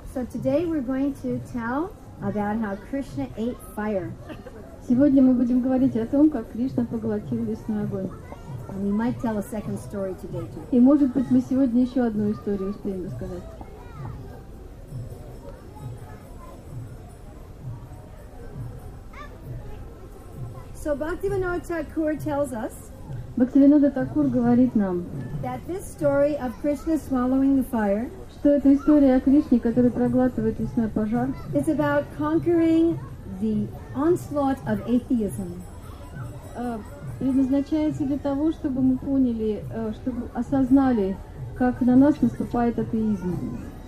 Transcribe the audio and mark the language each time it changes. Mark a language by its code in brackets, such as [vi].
[en] today we're going to tell about how Krishna ate fire. [ru] Сегодня мы будем говорить о том, как Кришна поглотил лесной огонь. [en] And we might tell a second story today too. [ru] И может быть мы сегодня еще одну историю успеем рассказать. [en] So Bhaktivinoda Thakur tells us. [ru] Бхактивинода Такур говорит нам. [en] That this story of Krishna swallowing the fire. [ru] Что это история о Кришне, который проглатывает лесной пожар. [en] It's about conquering the onslaught of atheism. [ru] Предназначается для того, чтобы мы поняли, чтобы осознали, как на нас наступает атеизм.